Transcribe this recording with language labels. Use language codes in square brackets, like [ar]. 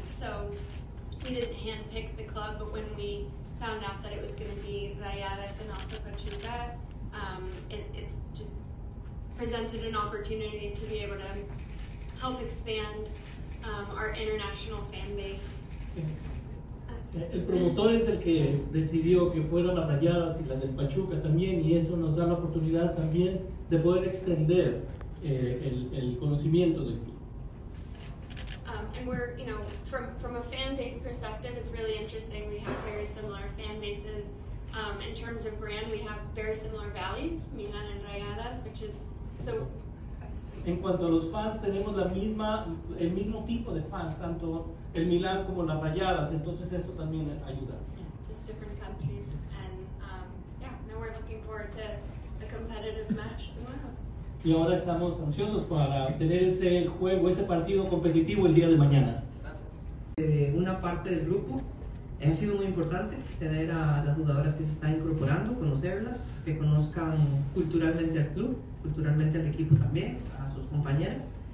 [en] So we didn't handpick the club, but when we found out that it was going to be Rayadas and also Pachuca, it just presented an opportunity to be able to help expand our international fan base. [es] El promotor es el que decidió que fueran las Rayadas y las del Pachuca también, y eso nos da la oportunidad también de poder extender el conocimiento del club. [en] And we're, you know, from a fan base perspective, it's really interesting. We have very similar fan bases. In terms of brand, we have very similar values, Milan and Rayadas, which is so. [es] En cuanto a los fans, tenemos el mismo tipo de fans, tanto el Milan como las Rayadas, entonces eso también ayuda. [en] Just different countries, and now we're looking forward to a competitive match tomorrow. [es] Y ahora estamos ansiosos para tener ese juego, ese partido competitivo el día de mañana. Gracias. Una parte del grupo, ha sido muy importante tener a las jugadoras que se están incorporando, conocerlas, que conozcan culturalmente al club, culturalmente al equipo también, compañeras.